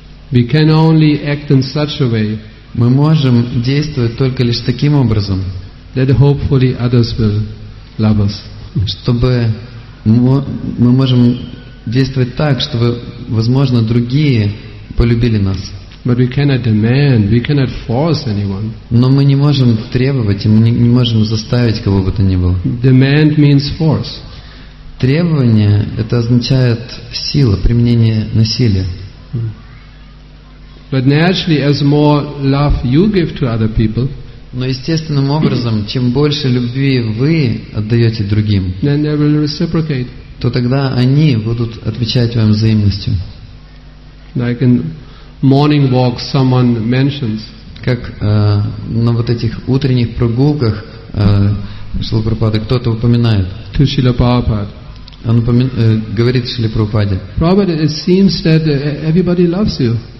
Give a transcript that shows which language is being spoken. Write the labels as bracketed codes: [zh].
[en] We can only act in such a way. [ru] Мы можем действовать только лишь таким образом, [en] that hopefully others will love us. [ru] Чтобы мы можем действовать так, чтобы, возможно, другие полюбили нас. [en] But we cannot demand, we cannot force anyone. [ru] Но мы не можем требовать, и мы не можем заставить кого бы то ни было. [en] Demand means force. [ru] Требование — это означает сила, применение насилия. [en] But naturally, as more love you give to other people, [ru] но естественным образом, чем больше любви вы отдаете другим, [en] then they will reciprocate. [ru] То тогда они будут отвечать вам взаимностью. [en] Like in morning walk, someone mentions. [ru] Как на вот этих утренних прогулках Шрила Прабхупада кто-то упоминает. [en] To Шрила Прабхупада. [ru] Он говорит Шриле Прабхупаде. [en] Prabhupada, it seems that everybody loves you.